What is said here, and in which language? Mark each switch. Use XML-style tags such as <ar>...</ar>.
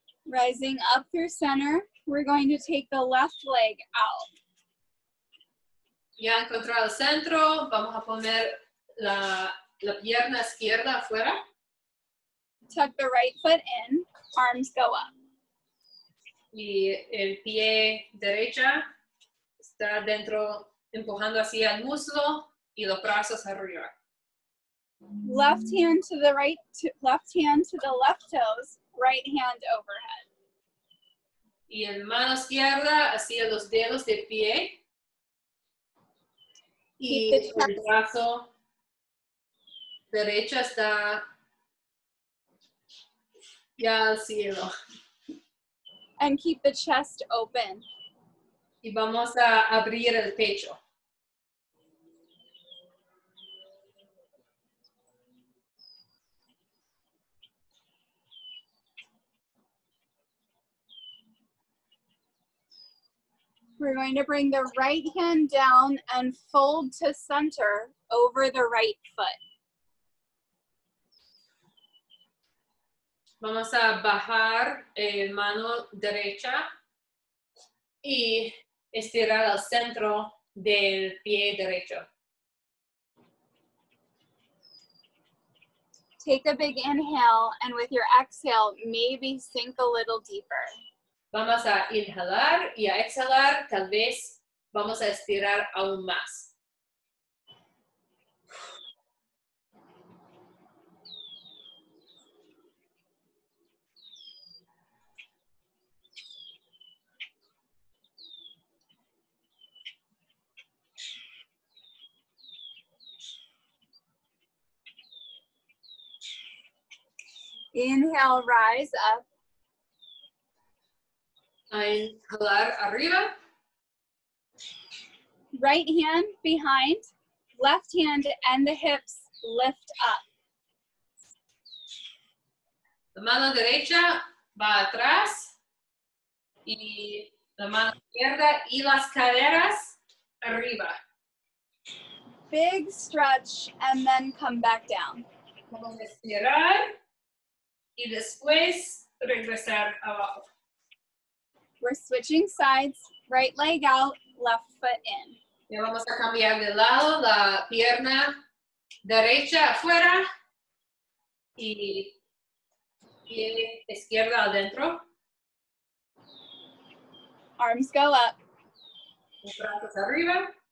<en>Rising up through center, we're going to take the left leg out.</en> <es>Ya encontrado el centro, vamos a poner la pierna izquierda afuera.</es> <en>Tuck the right foot in, arms go up.</en> <es>Y el pie derecha está dentro, empujando hacia el muslo y los brazos arriba.</es> <en>Left hand to the right, left hand to the left toes, right hand overhead.</en> <es>Y en mano izquierda hacia los dedos del pie. Y el brazo derecha está ya al cielo.</es> <en>And keep the chest open.</en> <es>Y vamos a abrir el pecho.</es> <en>We're going to bring the right hand down and fold to center over the right foot.</en> <es>Vamos a bajar el mano derecha y estirar al centro del pie derecho.</es> <en>take a big inhale, and with your exhale, maybe sink a little deeper.</en> <es>Vamos a inhalar y a exhalar, tal vez vamos a estirar aún más.</es> <en>Inhale, rise up.</en> <es>Inhalar, arriba.</es> <en>Right hand behind, left hand and the hips lift up.</en> <es>La mano derecha va atrás y la mano izquierda y las caderas arriba.</es> <en>Big stretch and then come back down.</en> <es>Vamos a estirar. Y después, regresar abajo.</es> <en>We're switching sides, right leg out, left foot in.</en> <es>Y vamos a cambiar de lado, la pierna derecha afuera y pie izquierda adentro.</es> <en>Arms go up.</en> <es>Los brazos arriba.</es>